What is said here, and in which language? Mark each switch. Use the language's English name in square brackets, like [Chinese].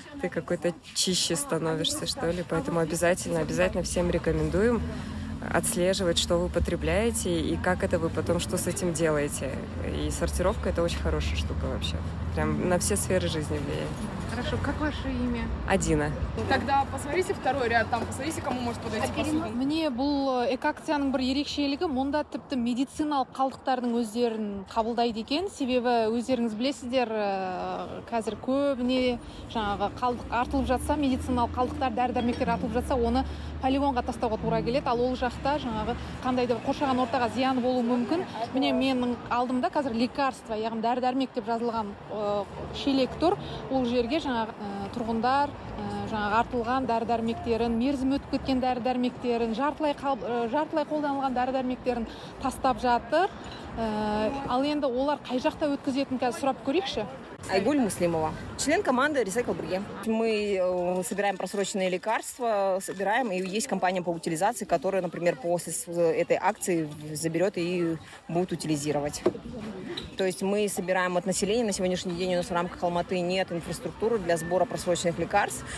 [Russian] Ты какой-то чище становишься, что ли. Поэтому обязательно всем рекомендуем отслеживать, что вы потребляете и как это вы потом, что с этим делаете. И сортировка — это очень хорошая штука вообще. Прям на все сферы жизни влияет. Хорошо. Как ваше имя? Адина. Тогда посмотрите второй ряд там. Посмотрите, кому может подойти посуду. [Kazakh] Мне был экакцияның бір ерекшелігі, мұнда тіпті медициналық қалдықтардың өздерін қабылдайды екен. Себебі өздеріңіз білесіздер, қазір көбіне жаңағы қалдық артылып жатса, медициналық қалдықтар, дәрі-дәрмектер артылып жатса, оны полигонға тастауға тура келеді. Ал ол жақта жаңағы қандай да қоршаған ортаға зиян болуы мүмкін. Міне, менің алдымда қазір лекарство, яғни дәрі-дәрмек деп жазылған шелек тұр. Ол жерге жаңағы тұрғындар жаңағы артылған дәрі-дәрмектерін, мерзімі өтіп кеткен дәрі-дәрмектерін, жартылай қолданылған дәрі-дәрмектерін тастап жатыр. Ал енді олар қай жақта өткізетінін қазір сұрап көрейікші. [Russian] Айгуль Муслимова, член команды Recycle Brugge. Мы собираем просроченные лекарства, собираем, и есть компания по утилизации, которая, например, после этой акции заберет и будет утилизировать. То есть мы собираем от населения, на сегодняшний день у нас в рамках Алматы нет инфраструктуры для сбора просроченных лекарств.